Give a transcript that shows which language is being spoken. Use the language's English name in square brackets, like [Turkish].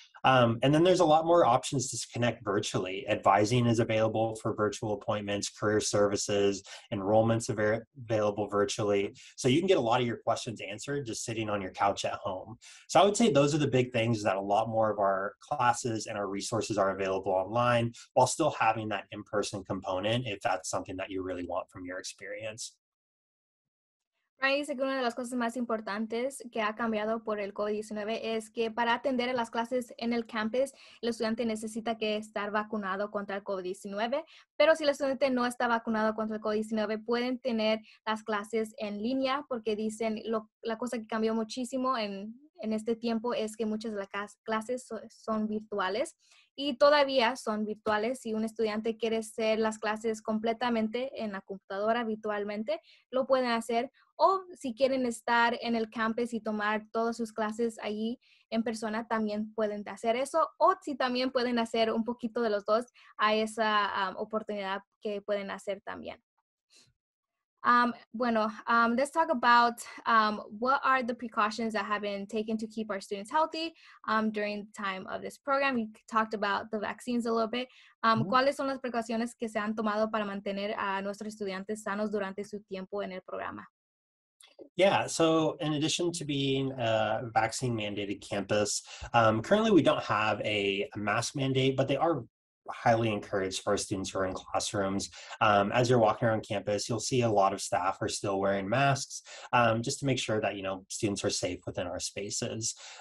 [English] And then there's a lot more options to connect virtually. Advising is available for virtual appointments, career services, enrollments available virtually. So you can get a lot of your questions answered just sitting on your couch at home. So I would say those are the big things that a lot more of our classes and our resources are available online while still having that in-person component if that's something that you really want from your experience. [Spanish] Dice que una de las cosas más importantes que ha cambiado por el COVID-19 es que para atender las clases en el campus, el estudiante necesita que estar vacunado contra el COVID-19, pero si el estudiante no está vacunado contra el COVID-19, pueden tener las clases en línea, porque dicen la cosa que cambió muchísimo en este tiempo es que muchas de las clases son virtuales y todavía son virtuales. Si un estudiante quiere hacer las clases completamente en la computadora virtualmente, lo pueden hacer. O si quieren estar en el campus y tomar todas sus clases allí en persona, también pueden hacer eso. O si también pueden hacer un poquito de los dos, a esa oportunidad que pueden hacer también. [English] Let's talk about what are the precautions that have been taken to keep our students healthy during the time of this program. We talked about the vaccines a little bit. [Spanish] ¿Cuáles son las precauciones que se han tomado para mantener a nuestros estudiantes sanos durante su tiempo en el programa? [English] Yeah, so in addition to being a vaccine mandated campus, currently we don't have a mask mandate, but they are highly encouraged for our students who are in classrooms. As you're walking around campus, you'll see a lot of staff are still wearing masks, just to make sure that, you know, students are safe within our spaces.